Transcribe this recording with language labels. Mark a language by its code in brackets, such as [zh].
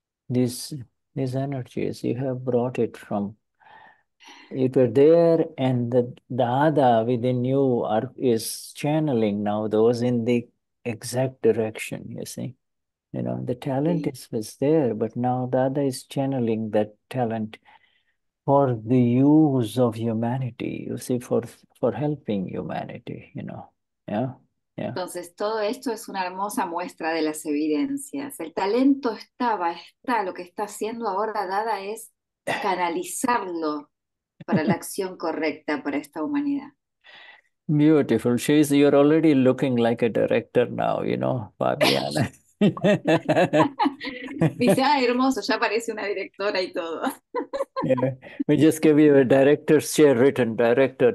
[en] These energies, you have brought it from, it were there, and the Dada within you are is channeling now those in the exact direction, you see. You know, the talent was there, but now Dada is channeling that talent for the use of humanity, you see, for helping humanity, you know. [es] Entonces, todo esto es una hermosa muestra de las evidencias. El talento estaba, está, lo que está haciendo ahora Dada es canalizarlo para la acción correcta para esta humanidad. [en] Beautiful. She's you're already looking like a director now, Fabiana. [es] Dice, ah, hermoso, ya parece una directora y todo. [en] Yeah. We just give you a director's chair written, director.